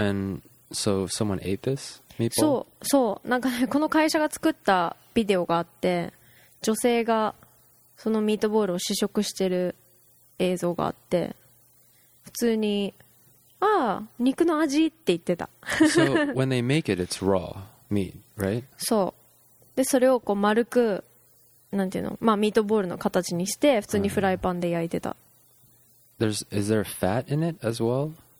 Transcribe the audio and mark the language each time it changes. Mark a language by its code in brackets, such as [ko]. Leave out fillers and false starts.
[en] And so someone ate this meatball? [ja] そうそう、なんかね、この会社が作ったビデオがあって、女性がそのミートボールを試食してる映像があって、普通にああ肉の味って言ってた。 [en] So when they make it, it's raw meat, right? [ja] そう、でそれをこう丸くなんていうの、まあミートボールの形にして普通にフライパンで焼いてた。 [en] There's, is there fat in it as well?